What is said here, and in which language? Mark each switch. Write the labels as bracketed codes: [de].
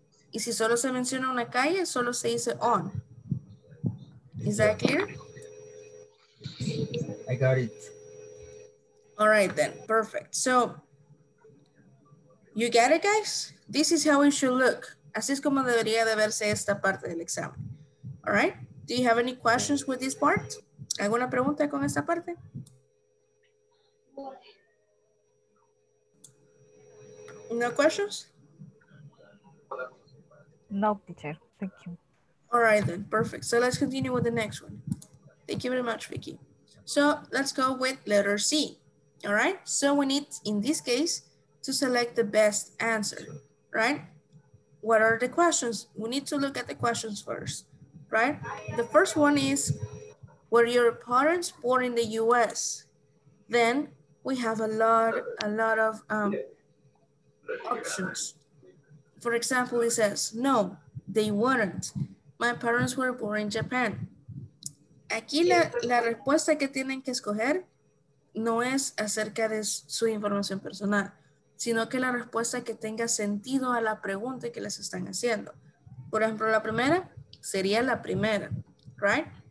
[es] Y si solo se menciona una calle, solo se dice on. [en] Is that clear? I got it. All right then, perfect. So, you get it, guys? This is how it should look. [es] Así es como debería de verse esta parte del examen. [en] All right? Do you have any questions with this part? [es] ¿Alguna pregunta con esta parte? [en] No questions? No, teacher. Thank you. All right then, perfect. So let's continue with the next one. Thank you very much, Vicky. So let's go with letter C, all right? So we need, in this case, to select the best answer, right? What are the questions? We need to look at the questions first, right? The first one is, were your parents born in the US? Then we have a lot of options. For example, it says, no, they weren't. My parents were born in Japan. [es] Aquí la, la respuesta que tienen que escoger no es acerca de su información personal, sino que la respuesta que tenga sentido a la pregunta que les están haciendo. Por ejemplo, la primera sería la primera, right?